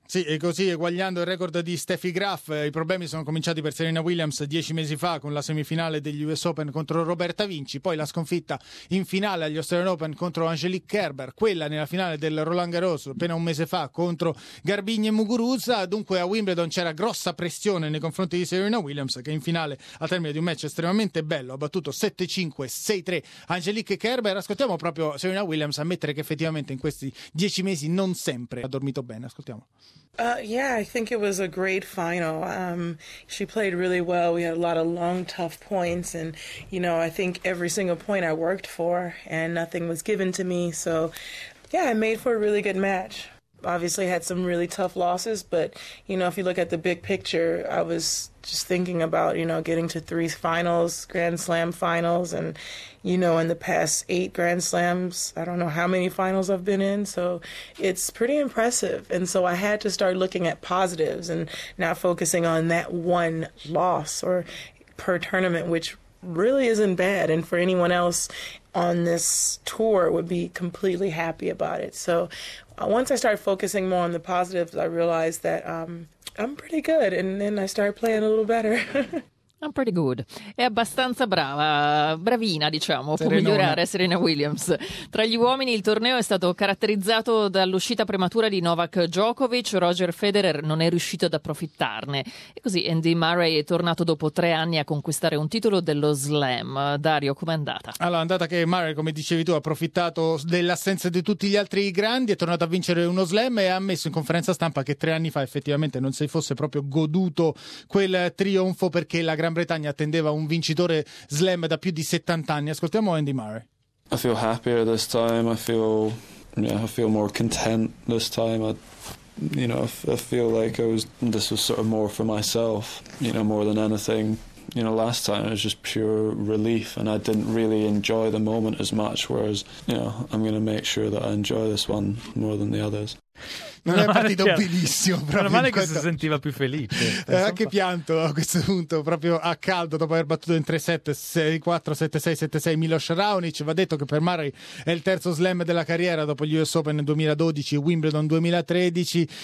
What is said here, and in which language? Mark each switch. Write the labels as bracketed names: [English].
[Italian] Sì, e così eguagliando il record di Steffi Graf, i problemi sono cominciati per Serena Williams 10 mesi fa con la semifinale degli US Open contro Roberta Vinci, poi la sconfitta in finale agli Australian Open contro Angelique Kerber, quella nella finale del Roland Garros appena un mese fa contro Garbiñe Muguruza. Dunque a Wimbledon c'era grossa pressione nei confronti di Serena Williams, che in finale al termine di un match estremamente bello ha battuto 7-5, 6-3 Angelique Kerber. Ascoltiamo proprio Serena Williams ammettere che effettivamente in questi 10 mesi non sempre ha dormito bene. Ascoltiamo. [English] I think it was a great final. She played really well. We had a lot of long, tough points, and you know, I think every single point I worked for, and nothing was given to me. So, yeah, I made for a really good match. Obviously, had some really tough losses, but you know, if you look at the big picture, I was just thinking about you know getting to 3 finals, Grand Slam finals, and you know, in the past 8 Grand Slams, I don't know how many finals I've been in, so it's pretty impressive. And so I had to start looking at positives and not focusing on that one loss or per tournament, which really isn't bad. And for anyone else on this tour, would be completely happy about it. So once I started focusing more on the positives, I realized that I'm pretty good, and then I started playing a little better. I'm pretty good. [Italian] È abbastanza brava, bravina diciamo, può migliorare Serena Williams. Tra gli uomini il torneo è stato caratterizzato dall'uscita prematura di Novak Djokovic, Roger Federer non è riuscito ad approfittarne. E così Andy Murray è tornato dopo 3 anni a conquistare un titolo dello Slam. Dario, com'è andata? Allora, è andata che Murray, come dicevi tu, ha approfittato dell'assenza di tutti gli altri grandi, è tornato a vincere uno Slam e ha ammesso in conferenza stampa che 3 anni fa effettivamente non si fosse proprio goduto quel trionfo, perché la Gran Bretagna attendeva un vincitore slam da più di 70 anni. Ascoltiamo Andy Murray. [English] I feel happier this time. I feel more content this time. I feel like this was sort of more for myself, you know, more than anything. You know, last time it was just pure relief and I didn't really enjoy the moment as much, whereas, you know, I'm going to make sure that I enjoy this one more than the others. [Italian] Non è partito benissimo. Meno male che si sentiva più felice. Anche pianto a questo punto, proprio a caldo, dopo aver battuto in 3-7, 6-4, 7-6, 7-6 Miloš Raonic. Va detto che per Murray è il terzo slam della carriera dopo gli US Open 2012 e Wimbledon 2013.